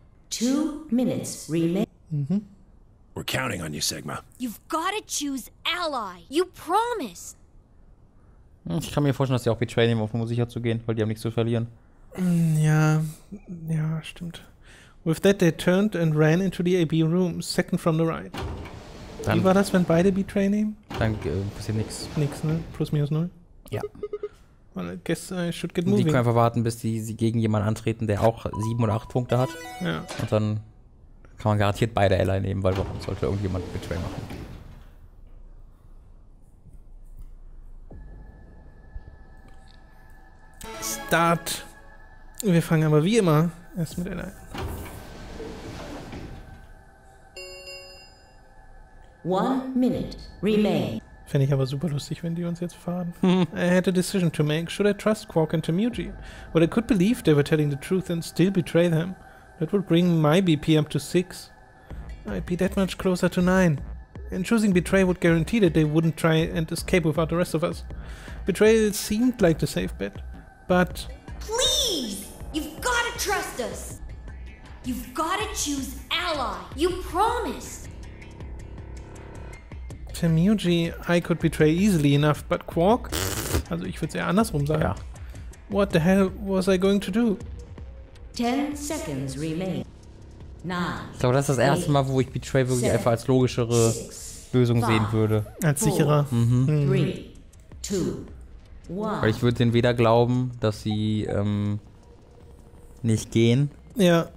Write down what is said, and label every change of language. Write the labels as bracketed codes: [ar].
[en] 2 minutes remain. We're counting on you, Sigma. You've got to choose Ally. You promise. [de] Ich kann mir vorstellen, dass sie auch Betray nehmen, um sicher zu gehen, weil die haben nichts zu verlieren. Ja, ja, stimmt. [en] With that, they turned and ran into the AB room, second from the right. [de] Dann, wie war das, wenn beide Betray nehmen? Dann passiert nichts. Nix, ne? Plus, minus, null? Ja. [en] Well, I guess I should get moving. [de] Die können einfach warten, bis sie gegen jemanden antreten, der auch 7 oder 8 Punkte hat. Ja. Und dann kann man garantiert beide Ally nehmen, weil warum sollte irgendjemand Betray machen? [en] Start. [de] Wir fangen aber wie immer erst mit Ally. [en] One minute remain. [de] Fände ich aber super lustig, wenn die uns jetzt fahren. [en] I had a decision to make. Should I trust Quark and Temuji? Or I could believe they were telling the truth and still betray them. That would bring my BP up to 6. I'd be that much closer to 9. And choosing betray would guarantee that they wouldn't try and escape without the rest of us. Betrayal seemed like the safe bet. But... Please! You've gotta trust us! You've gotta choose Ally! You promised! Temuji, I could betray easily enough, but Quark? [de] Also ich würde es eher andersrum sagen. Ja. [en] What the hell was I going to do? 10 seconds remain. 9. [de] Ich glaube, das ist das erste Mal, wo ich Betray wirklich 7, einfach als logischere 6, Lösung 5, sehen würde. Als sicherer. [en] 4, 3, 2, 1. [de] Weil ich würde denen weder glauben, dass sie nicht gehen. Ja.